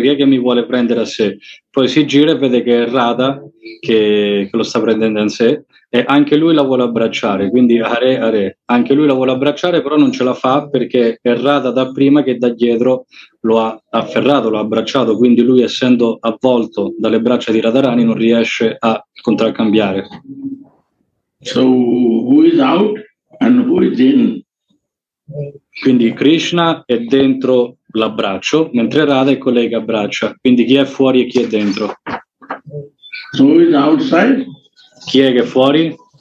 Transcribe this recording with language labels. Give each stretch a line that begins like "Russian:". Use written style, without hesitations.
Italian: Chi è che mi vuole prendere a sé? Poi si gira e vede che è Radha che lo sta prendendo a sé e anche lui la vuole abbracciare, quindi Hare Hare, anche lui la vuole abbracciare, però non ce la fa perché è Radha da prima che da dietro lo ha afferrato, lo ha abbracciato, quindi lui, essendo avvolto dalle braccia di Radharani, non riesce a contraccambiare.
English: So who is out and who is in?
Italian: Quindi Krishna è dentro l'abbraccio, mentre Radha è colei che abbraccia. Quindi chi è fuori e chi è dentro?
English: So is outside?
Italian: Chi è che è fuori?